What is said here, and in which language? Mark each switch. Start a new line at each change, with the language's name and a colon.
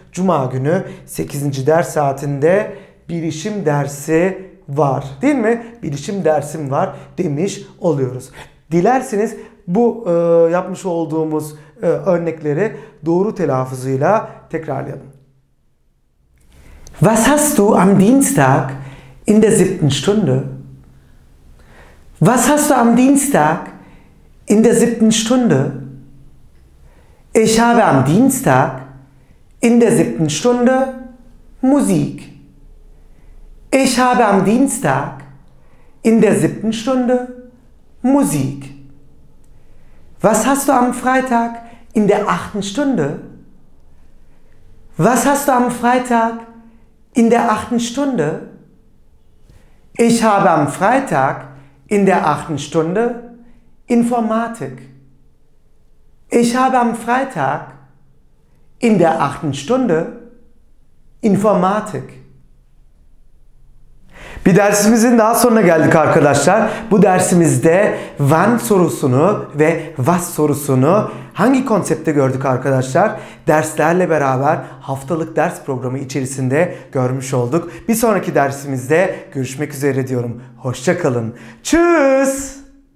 Turkish: Cuma günü 8. ders saatinde bilişim dersi var. Değil mi? Bilişim dersim var demiş oluyoruz. Dilerseniz bu yapmış olduğumuz örnekleri doğru telaffuzuyla tekrarlayalım.
German: Was hast du am Dienstag in der siebten Stunde? Was hast du am Dienstag in der siebten Stunde? Ich habe am Dienstag in der siebten Stunde Musik. Ich habe am Dienstag in der siebten Stunde Musik. Was hast du am Freitag in der achten Stunde? Was hast du am Freitag in der achten Stunde? Ich habe am Freitag in der achten Stunde Informatik. Ich habe am Freitag in der achten Stunde Informatik.
Turkish: Bir dersimizin daha sonuna geldik arkadaşlar. Bu dersimizde when sorusunu ve was sorusunu hangi konsepte gördük arkadaşlar? Derslerle beraber haftalık ders programı içerisinde görmüş olduk. Bir sonraki dersimizde görüşmek üzere diyorum. Hoşça kalın. Tschüss.